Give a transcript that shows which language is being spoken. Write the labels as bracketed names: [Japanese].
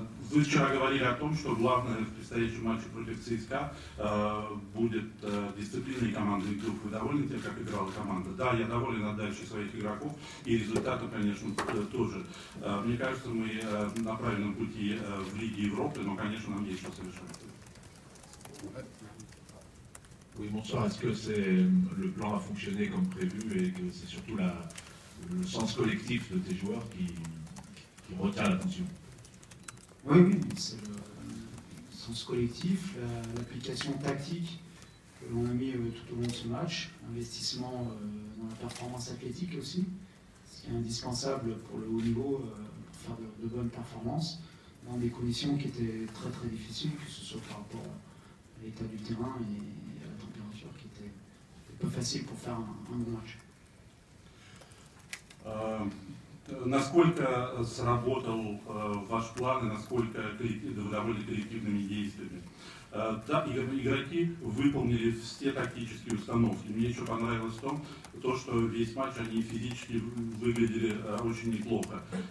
[Russian] Вы вчера говорили о том, что главное в предстоящем матче против ЦСКА будет дисциплина и командный дух. Вы довольны тем, как играла команда? Да, я доволен отдачей своих игроков и результатом, конечно, тоже. Мне кажется, мы на правильном пути в Лиге Европы, но, конечно, нам есть что совершенствовать. [French] Oui, bonsoir. Est-ce que c'est le plan a fonctionné comme prévu et que c'est surtout le sens collectif de tes joueurs qui retient l'attention? Oui, oui, c'est le sens collectif, l'application tactique que l'on a mis tout au long de ce match, l'investissement dans la performance athlétique aussi, ce qui est indispensable pour le haut niveau, pour faire de bonnes performances, dans des conditions qui étaient très très difficiles, que ce soit par rapport à l'état du terrain et à la température qui était peu facile pour faire un bon match. [Russian] Насколько сработал ваш план и насколько вы довольны коллективными действиями? Да, игроки выполнили все тактические установки. Мне еще понравилось то, что весь матч они физически выглядели очень неплохо.